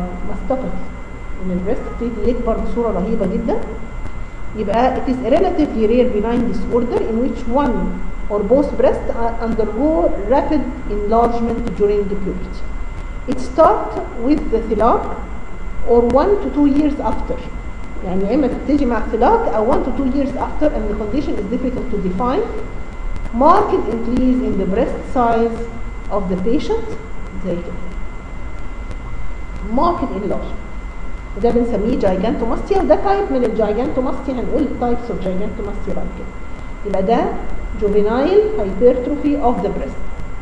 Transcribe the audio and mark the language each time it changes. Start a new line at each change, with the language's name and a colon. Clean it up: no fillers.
Arabic: ماستوباثي ان البريست بتدي يكبر بصوره رهيبه جدا يبقى
English: it is a relatively rare benign disorder in which one or both breasts undergo rapid enlargement during the puberty. It starts with the thilac or 1-2 years after.
Arabic: يعني إما تبتدي مع
English: thilac or 1-2 years after and the condition is difficult to define. Marked increase in the breast size of the patient.
Arabic: زي كده.
English: Marked enlargement.
Arabic: ده بنسميه جايجانتوماستيا وده تايب من الجايجانتوماستيا هنقول تايبس اوف جايجانتوماستيا بعد كده يبقى ده
English: juvenile hypertrophy of the breast